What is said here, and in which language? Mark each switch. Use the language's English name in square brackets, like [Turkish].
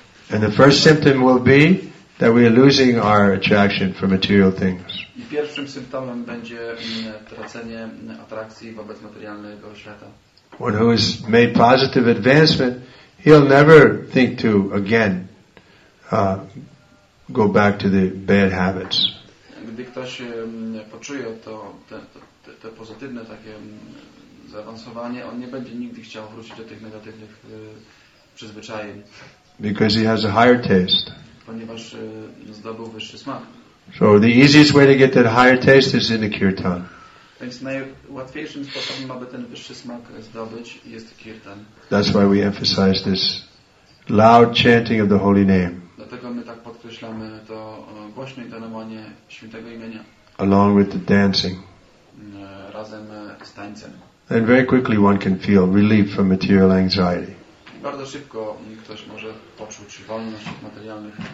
[English] And the first symptom will be that we are losing our attraction for material things. [Polish] Pierwszym symptomem będzie tracenie atrakcji wobec materialnego świata. [English] One who has made positive advancement, he'll never think to again go back to the bad habits. [Polish] Gdy ktoś poczuje to te pozytywne takie zaawansowanie, on nie będzie nigdy chciał wrócić do tych negatywnych przyzwyczajeń. [English] Because he has a higher taste. [Polish] Ponieważ zdobył wyższy smak. [English] So the easiest way to get that higher taste is in the kirtan. [Polish] Więc najłatwiejszym sposobem, aby ten wyższy smak zdobyć, jest kirtan. [English] That's why we emphasize this loud chanting of the holy name. [Polish] Dlatego my tak podkreślamy to głośne intonowanie świętego imienia. [English] Along with the dancing. [Polish] Razem z tańcem. [English] And very quickly one can feel relief from material anxiety. [Polish] Bardzo szybko ktoś może poczuć wolność od materialnych.